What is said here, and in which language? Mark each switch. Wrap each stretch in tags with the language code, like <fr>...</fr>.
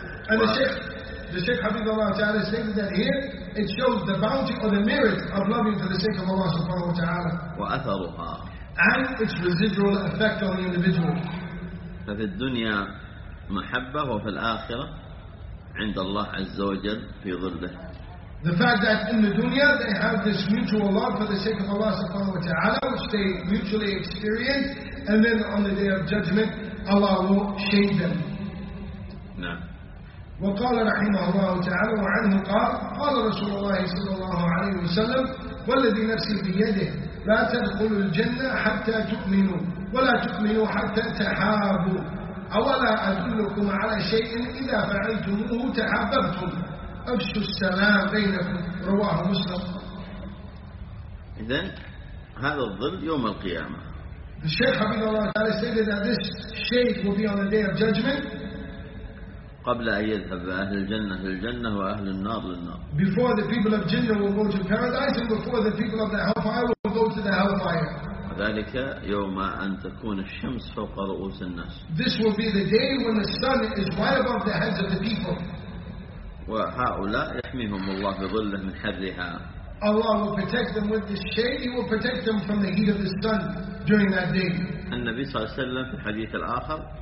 <en>And the Sheikh</en> <ar>حفظ الله تعالى</ar> <en>stated that here it shows the bounty or the merit of loving for the sake of Allah</en> <ar>سبحانه وتعالى وأثرها</ar> <en>and its residual effect on the individual.</en> <ar>ففي الدنيا محبة وفي الآخرة عند الله عز وجل في ظله.</ar> <en>The fact that in the dunya they have this mutual love for the sake of Allah subhanahu wa ta'ala which they mutually experience and then on the day of judgment Allah will shame them.</en> <ar>نعم. وقال رحمه الله تعالى وعنه قال قال رسول الله صلى الله عليه وسلم والذي نفسي بيده لا تدخلوا الجنة حتى تؤمنوا ولا تؤمنوا حتى تحابوا أولا أدلكم على شيء إذا فعلتموه تحاببتم أفشوا السلام بينكم رواه مسلم. إذن هذا الظل يوم القيامة. الشيخ حفظه الله تعالى</ar> <en>said that this shape will be on the day of judgment</en> <ar>قبل أن يذهب أهل الجنة للجنة وأهل النار للنار.</ar> <en>Before the people of Jannah will go to paradise and before the people of the hellfire will go to the hellfire.</en> <ar>ذلك يوم أن تكون الشمس فوق رؤوس الناس.</ar> <en>This will be the day when the sun is right above the heads of the people.</en> <ar>وهؤلاء يحميهم الله بظله من حرها.</ar> <en>Allah will protect them with this shade. He will protect them from the heat of the sun during that day.</en> <ar>النبي صلى الله عليه وسلم في الحديث الآخر.</ar>